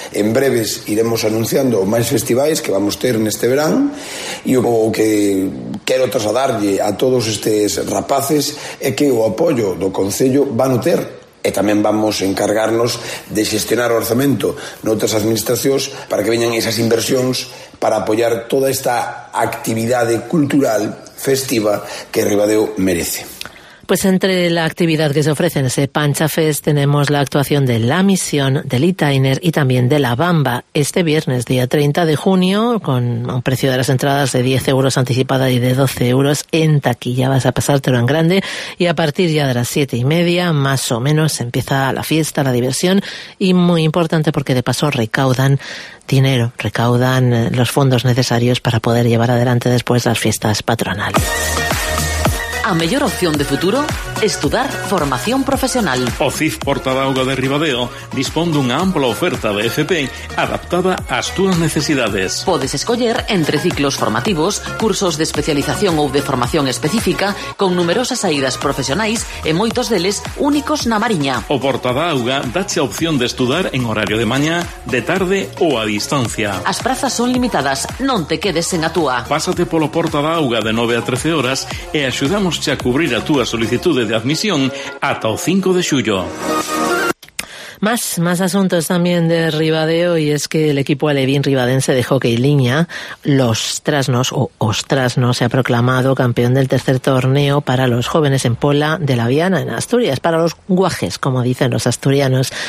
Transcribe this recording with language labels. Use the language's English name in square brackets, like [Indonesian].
[Galician] En breves iremos anunciando máis festivais que vamos ter neste verán, e o que quero trasladarlle a todos estes rapaces é que o apoio do concello van a ter e tamén vamos encargarnos de xestionar o orzamento noutras administracións para que veñan esas inversións para apoiar toda esta actividade cultural festiva que Ribadeo merece. [Spanish] Pues entre la actividad que se ofrece en ese Pancha Fest tenemos la actuación de La Misión, de Litainer y también de La Bamba este viernes, día 30 de junio, con un precio de las entradas de 10 euros anticipada y de 12 euros en taquilla. Vas a pasártelo en grande y a partir ya de las 7:30 más o menos empieza la fiesta, la diversión, y muy importante porque de paso recaudan dinero, recaudan los fondos necesarios para poder llevar adelante después las fiestas patronales. [Galician] A mellor opción de futuro, estudar formación profesional. O CIF Porta da Auga de Ribadeo dispón dunha ampla oferta de FP adaptada ás túas necesidades. Podes escoller entre ciclos formativos, cursos de especialización ou de formación específica, con numerosas saídas profesionais e moitos deles únicos na Mariña. O Porta da Auga dache a opción de estudar en horario de mañá, de tarde ou a distancia. As prazas son limitadas, non te quedes sen a túa. Pásate polo Porta da Auga de 9 a 13 horas e axudamos a cubrir a túa solicitude de admisión ata o 5 de xullo. [Spanish] Más asuntos también de Ribadeo, y es que el equipo alevín ribadense de hockey línea, los Trasnos o Ostrasnos, se ha proclamado campeón del tercer torneo para los jóvenes en Pola de la Viana, en Asturias, para los guajes, como dicen los asturianos.